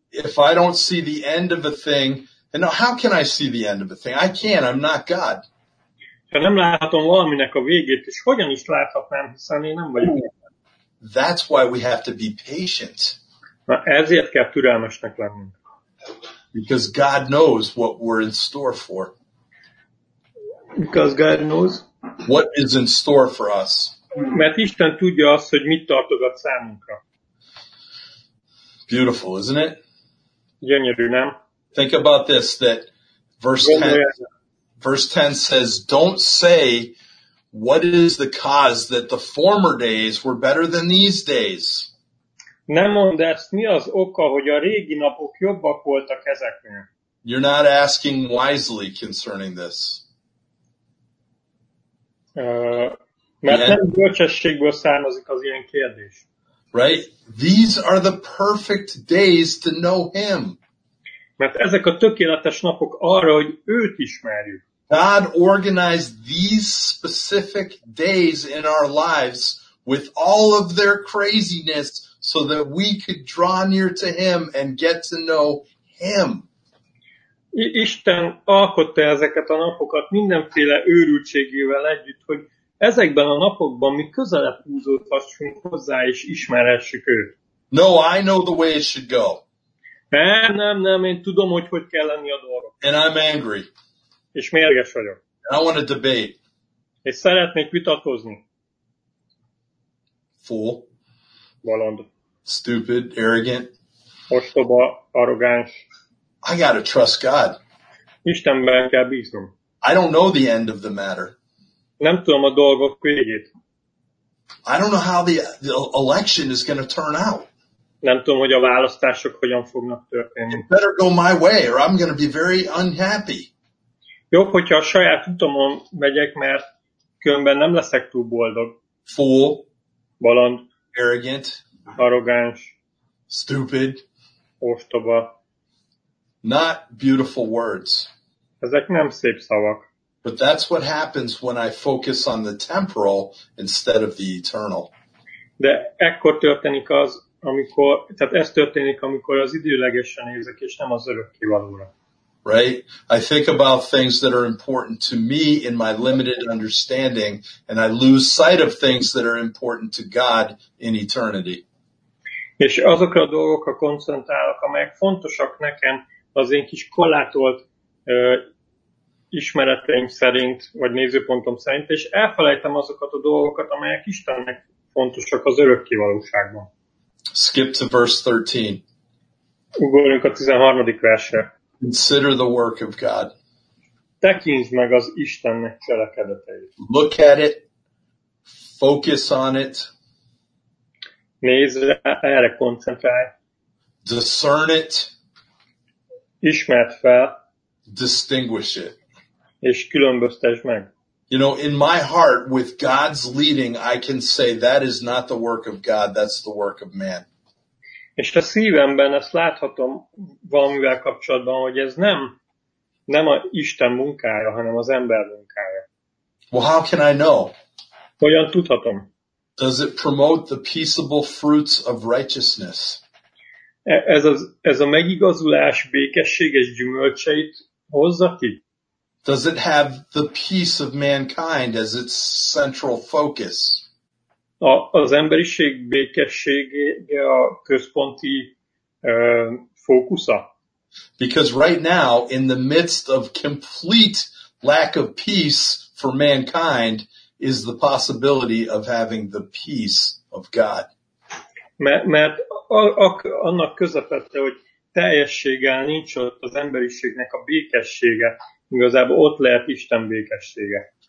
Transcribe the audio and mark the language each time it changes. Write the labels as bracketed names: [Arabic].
[English] If I don't see the end of a thing, and now how can I see the end of a thing? I can't, I'm not God. [Hungarian] Ha nem láthatom valaminek a végét, és hogyan is láthatnám, hiszen én nem vagyok. [English] That's why we have to be patient. [Hungarian] Na ezért kell türelmesnek lenni. [English] Because God knows what we're in store for. Because God knows what is in store for us. [Hungarian] Mert Isten tudja azt, hogy mit tartogat számunkra. [English] Beautiful, isn't it? [Hungarian] Gyönyörű, nem? [English] Think about this, that verse 10 says, don't say what is the cause that the former days were better than these days. [Hungarian] Nem mondd ezt, mi az oka, hogy a régi napok jobbak voltak ezeknél? [English] You're not asking wisely concerning this. [Hungarian] Mert nem bölcsességből származik az ilyen kérdés. [English] Right? These are the perfect days to know him. [Hungarian] Mert ezek a tökéletes napok arra, hogy őt ismerjük. [English] God organized these specific days in our lives with all of their craziness so that we could draw near to him and get to know him. [Hungarian] Isten alkotta ezeket a napokat mindenféle őrültségével együtt, hogy ezekben a napokban mi közelebb húzódhassunk hozzá, és ismerhessük őt. [English] No, I know the way it should go. [Hungarian] Nem, én tudom, hogy kell lenni a dolgok. [English] And I'm angry. [Hungarian] És mérges vagyok. [English] I want to debate. [Hungarian] És szeretnék vitatkozni. [English] Fool. [Hungarian] Bolond. [English] Stupid, arrogant. [Hungarian] ostoba, arrogáns. [English] I got to trust God. [Hungarian] Istenben kell bíznom. [English] I don't know the end of the matter. [Hungarian] Nem tudom a dolgok végét. [English] I don't know how the election is going to turn out. [Hungarian] Nem tudom, hogy a választások hogyan fognak történni. [English] It better go my way or I'm going to be very unhappy. [Hungarian] Jobb, hogyha a saját utamon megyek, mert különben nem leszek túl boldog. [English] Fool. [Hungarian] Baland. [English] Arrogant. [Hungarian] Arrogáns. [English] Stupid. [Hungarian] Ostoba. [English] Not beautiful words. [Hungarian] Ezek nem szép szavak. [English] But that's what happens when I focus on the temporal instead of the eternal. [Hungarian] De ekkor történik az, amikor, tehát ez történik, amikor az időlegesen nézek, és nem az örökkévalóra. [English] Right? I think about things that are important to me in my limited understanding, and I lose sight of things that are important to God in eternity. [Hungarian] És azokra a dolgokra koncentrálok, amelyek fontosak nekem, az én kis korlátolt ismereteim szerint, vagy nézőpontom szerint, és elfelejtem azokat a dolgokat, amelyek Istennek fontosak az örökké valóságban. [English] Skip to verse 13. [Hungarian] Ugorjunk a 13. versre. [English] Consider the work of God. [Hungarian] Tekintsd meg az Istennek cselekedeteit. [English] Look at it. Focus on it. [Hungarian] Nézd rá, erre koncentrálj. [English] Discern it. [Hungarian] Ismerd fel. [English] Distinguish it. [Hungarian] És különböztesd meg. [English] You know, in my heart, with God's leading, I can say that is not the work of God, that's the work of man. [Hungarian] És a szívemben ezt láthatom valamivel kapcsolatban, hogy ez nem a Isten munkája, hanem az ember munkája. [English] Well, how can I know? [Hungarian] Hogyan tudhatom? [English] Does it promote the peaceable fruits of righteousness? [Hungarian] Ez a megigazulás békességes gyümölcseit hozza ki? [English] Does it have the peace of mankind as its central focus? [Hungarian] Az emberiség békessége a központi fókusza? [English] Because right now, in the midst of complete lack of peace for mankind, is the possibility of having the peace of God. [Hungarian] Mert annak közepette, hogy teljességgel nincs ott az emberiségnek a békessége, igazából ott lehet Isten békessége.